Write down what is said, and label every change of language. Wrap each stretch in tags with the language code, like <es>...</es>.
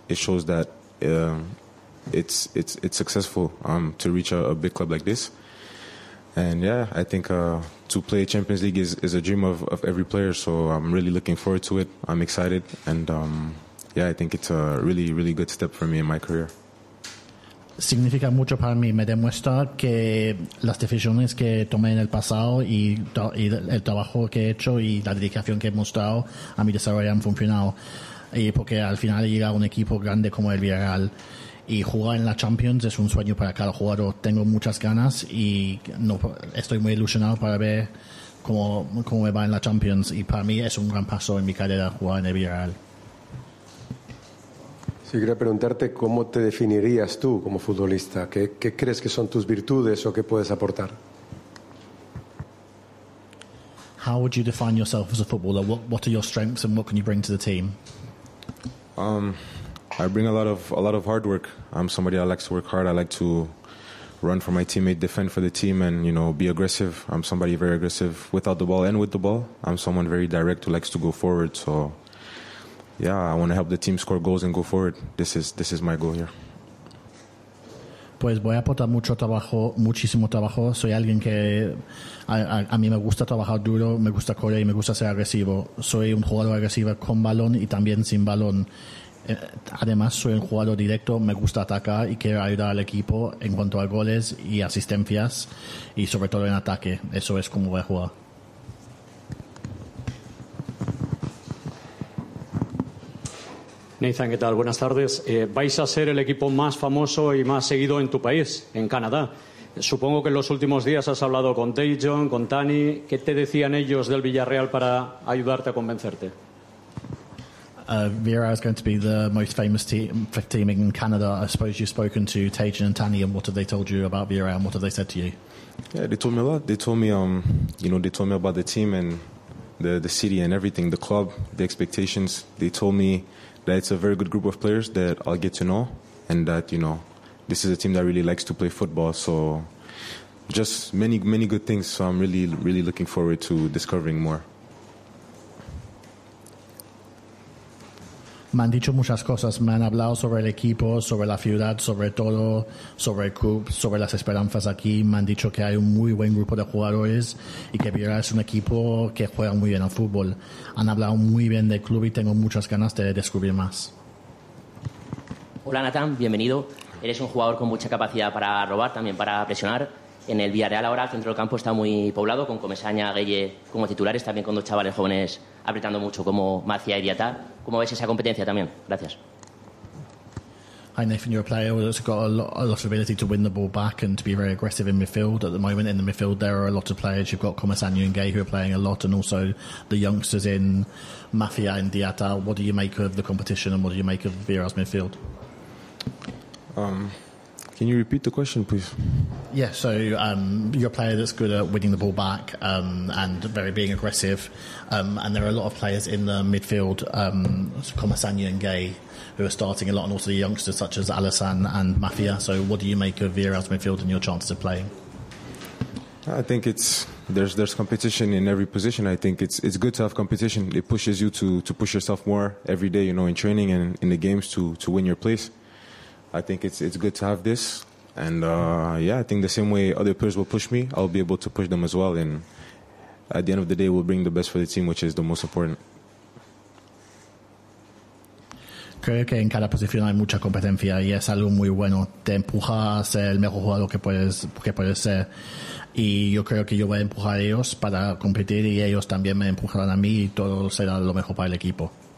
<en>It shows that it's successful to reach a big club like this. And yeah, I think to play Champions League is a dream of every player, so I'm really looking forward to it. I'm excited, and yeah, I think it's a really, really good step for me in my career.</en> <es>Significa mucho para mí. Me demuestra que las decisiones que tomé en el pasado y el trabajo que he hecho y la dedicación que he mostrado a mi desarrollo han funcionado. Y porque al final llega un equipo grande como el Villarreal. Y jugar en la Champions es un sueño para cada jugador. Tengo muchas ganas y no, estoy muy ilusionado para ver cómo me va en la Champions. Y para mí es un gran paso en mi carrera jugar en el Villarreal. Sí, quería preguntarte cómo te definirías tú como futbolista. ¿Qué crees que son tus virtudes o qué puedes aportar?</es> <en>How would you define yourself as a footballer? What are your strengths and what can you bring to the team? I bring a lot of hard work. I'm somebody that likes to work hard. I like to run for my teammate, defend for the team, and, you know, be aggressive. I'm somebody very aggressive without the ball and with the ball. I'm someone very direct who likes to go forward. So, yeah, I want to help the team score goals and go forward. This is my goal here.</en> <es>Pues voy a aportar mucho trabajo, muchísimo trabajo. Soy alguien que a mí me gusta trabajar duro, me gusta correr y me gusta ser agresivo. Soy un jugador agresivo con balón y también sin balón. Además, soy un jugador directo, me gusta atacar y quiero ayudar al equipo en cuanto a goles y asistencias, y sobre todo en ataque. Eso es como voy a jugar. Nathan, ¿qué tal? Buenas tardes. Vais a ser el equipo más famoso y más seguido en tu país, en Canadá. Supongo que en los últimos días has hablado con Dejon, con Tani. ¿Qué te decían ellos del Villarreal para ayudarte a convencerte?</es> <en>Villarreal is going to be the most famous team in Canada. I suppose you've spoken to Tejon and Tani, and what have they told you about Villarreal, and what have they said to you? Yeah, they told me a lot. They told me, you know, they told me about the team and the city and everything, the club, the expectations. They told me that it's a very good group of players that I'll get to know, and that, you know, this is a team that really likes to play football. So just many, many good things. So I'm really, really looking forward to discovering more.</en> <es>Me han dicho muchas cosas. Me han hablado sobre el equipo, sobre la ciudad, sobre todo, sobre el club, sobre las esperanzas aquí. Me han dicho que hay un muy buen grupo de jugadores y que Villarreal es un equipo que juega muy bien al fútbol. Han hablado muy bien del club y tengo muchas ganas de descubrir más. Hola, Nathan. Bienvenido. Eres un jugador con mucha capacidad para robar, también para presionar. En el Villarreal ahora el centro del campo está muy poblado, con Comesaña, Gueye como titulares, también con dos chavales jóvenes apretando mucho como Macia y Diatá. ¿Cómo ves esa competencia también? Gracias.</es> <en>Hi Nathan, you're a player that's got a lot of ability to win the ball back and to be very aggressive in midfield. At the moment in the midfield there are a lot of players. You've got Comesaña and Gueye who are playing a lot, and also the youngsters in Mafia and Diatta. What do you make of the competition and what do you make of Vieira's midfield? Can you repeat the question, please? Yeah, so you're a player that's good at winning the ball back and being aggressive. And there are a lot of players in the midfield, Comesaña and Gueye, who are starting a lot, and also the youngsters such as Alisson and Mafia. So what do you make of Vieira's midfield and your chances of playing? I think it's there's competition in every position. I think it's good to have competition. It pushes you to push yourself more every day, you know, in training and in the games to win your place. I think it's good to have this. And I think the same way other players will push me, I'll be able to push them as well. And at the end of the day, we'll bring the best for the team, which is the most important.</en> <es>Creo que en cada posición hay mucha competencia y es algo muy bueno. Te empuja a ser el mejor jugador que puedes ser. Y yo creo que yo voy a empujar a ellos para competir y ellos también me empujarán a mí y todo será lo mejor para el equipo.</es>